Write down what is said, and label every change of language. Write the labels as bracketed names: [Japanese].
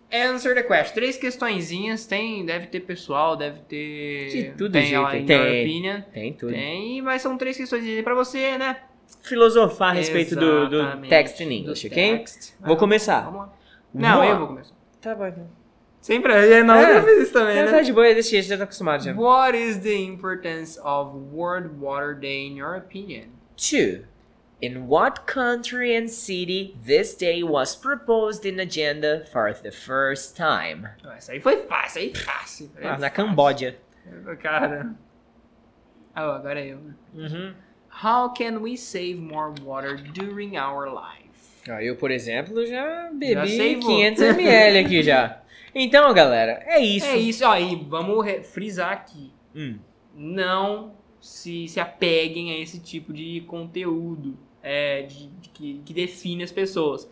[English] Answer the question. [Portuguese] Três questõezinhas. Deve ter pessoal, deve ter... De tudo tem jeito. Tem tudo. Tem, mas são três questõezinhas pra você, né? Filosofar a respeito do [English] text in English, [Portuguese] ok? Vou começar. Vamos lá. Não, eu vou começar. Tá bom, então. Sempre é nóis que eu fiz isso também, né? Tá de boa, desse jeito, já tá acostumado já. [English] What is the importance of World Water Day in your opinion? Two. In what country and city this day was proposed in agenda for the first time? [Portuguese] Essa aí foi fácil, essa aí foi fácil. Na Cambódia. Cara. Ah, oh, agora é eu. Uhum. [English] How can we save more water during our life? [Portuguese] Eu, por exemplo, já bebi 500ml aqui já. Então, galera, é isso. É isso, ó, e vamos frisar aqui. Não se apeguem a esse tipo de conteúdo que define as pessoas.